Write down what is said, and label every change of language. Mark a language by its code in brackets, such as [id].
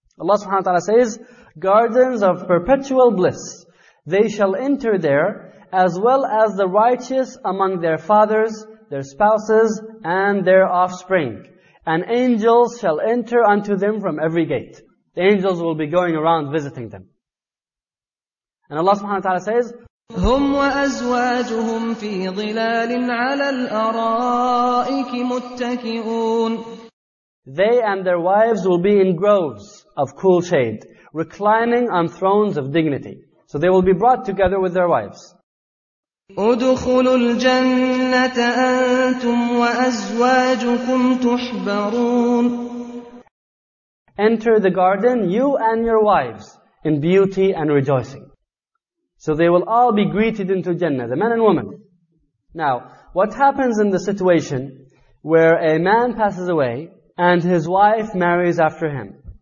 [en] Allah subhanahu wa ta'ala says, gardens of perpetual bliss, they shall enter there, as well as the righteous among their fathers, their spouses, and their offspring. And angels shall enter unto them from every gate. The angels will be going around visiting them. And Allah subhanahu wa ta'ala says, [ar] هم وأزواجهم في ظلال على الأرائك متكئون. [en] They and their wives will be in groves of cool shade, reclining on thrones of dignity. So they will be brought together with their wives. [ar] ادخلوا الجنة أنتم وأزواجكم تحبرون. [en] Enter the garden, you and your wives, in beauty and rejoicing. So they will all be greeted into Jannah, the men and women. Now, what happens in the situation where a man passes away and his wife marries after him?